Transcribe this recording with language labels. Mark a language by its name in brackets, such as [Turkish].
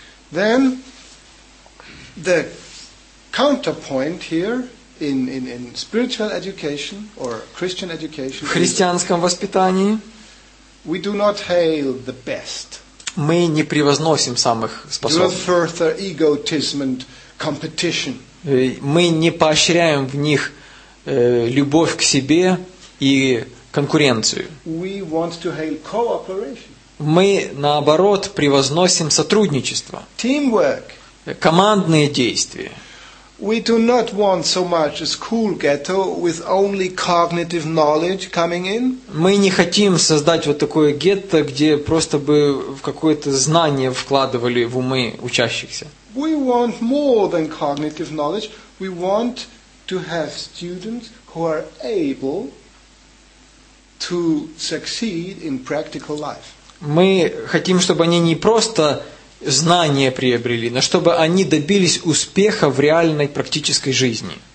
[English] Then the counterpoint here in spiritual education or Christian education. [Russian] В христианском воспитании [English] we do not hail the best. [Russian] Мы не превозносим самых способных. [English] Do not further egotism and competition. [Russian] Мы не поощряем в них любовь к себе и конкуренцию. [English] We want to hail cooperation. [Russian] Мы, наоборот, превозносим сотрудничество. [English] Teamwork. [Russian] Командные действия. [English] We do not want so much a school ghetto with only cognitive knowledge coming in. [Russian] Мы не хотим создать вот такое гетто, где просто бы в какое-то знание вкладывали в умы учащихся. [English] We want more than cognitive knowledge. We want to have students who are able to succeed in practical life. [Russian] Мы хотим, чтобы они не просто знания приобрели, но чтобы они добились успеха в реальной практической жизни.